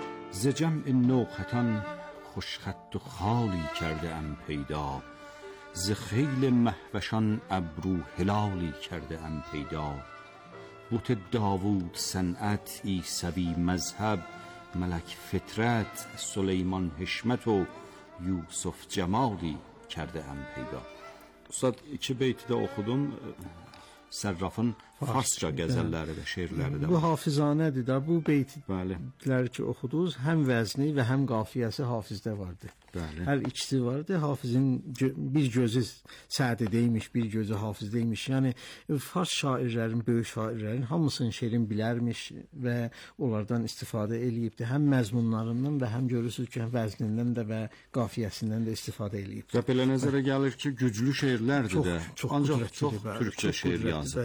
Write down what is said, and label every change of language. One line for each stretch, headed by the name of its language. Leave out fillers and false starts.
Persian: ز جمع نو خطان خوش خط و خالی کرده ام پیدا، ز خیل مهوشان ابرو هلالی کرده ام پیدا. بوت داوود صنعت، عیسوی مذهب، ملک فطرت، سلیمان حشمت و یوسف جمالی کرده ام پیدا.
Azerbaijani: استاد iki beyti de okudum. Sərrafın farsca qəzəlləri və şeirləri də var. Bu hafizanədir də, bu beytləri ki, oxuduz, həm vəzni və həm qafiyəsi hafizdə vardır. Bəli. Hər ikisi vardır, hafizin bir gözü Sədi deymiş, bir gözü hafiz deymiş. Yəni, fars şairlərin, böyük şairlərin hamısının şeirini bilərmiş və onlardan istifadə eləyibdir. Həm məzmunlarından və həm görürsünüz ki, vəznindən də və qafiyəsindən də istifadə eləyibdir. Və belə nəzərə gəlir ki, güclü şeirlərdir çox, də. Çox, ancaq çox türkçə şeir yazdı.